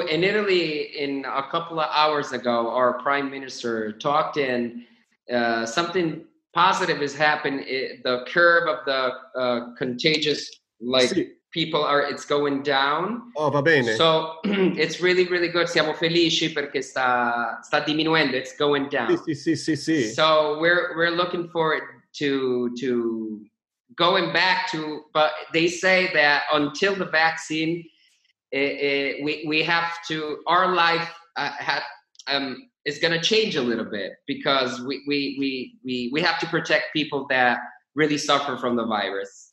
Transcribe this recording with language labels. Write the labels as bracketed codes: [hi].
[en] In Italy, in a couple of hours ago, our prime minister talked in something positive has happened. The curve of the contagious, people are, it's going down. [it] Oh, va bene. [en] So it's really, really good. [it] Siamo felici perché sta diminuendo. [en] It's going down. [it] Sì. [en] So we're looking forward to going back to, but they say that until the vaccine, we have to, our life is going to change a little bit because we have to protect people that really suffer from the virus.